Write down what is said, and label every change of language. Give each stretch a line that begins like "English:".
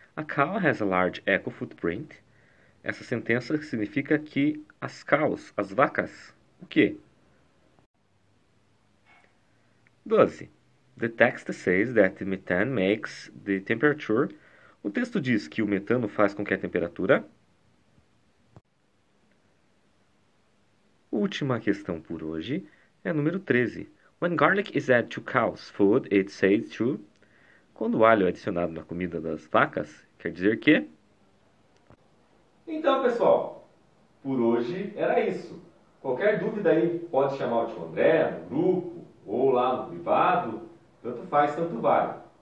English: A cow has a large eco footprint.
Portuguese: Essa sentença significa que as cows, as vacas, o quê? 12.
English: The text says that methane makes the temperature.
Portuguese: O texto diz que o metano faz com que a temperatura. Última questão por hoje é número 13.
English: When garlic is added to cow's food, it says to.
Portuguese: Quando o alho é adicionado na comida das vacas, quer dizer que. Então, pessoal, por hoje era isso. Qualquer dúvida aí, pode chamar o tio André no grupo ou lá no privado, tanto faz, tanto vale.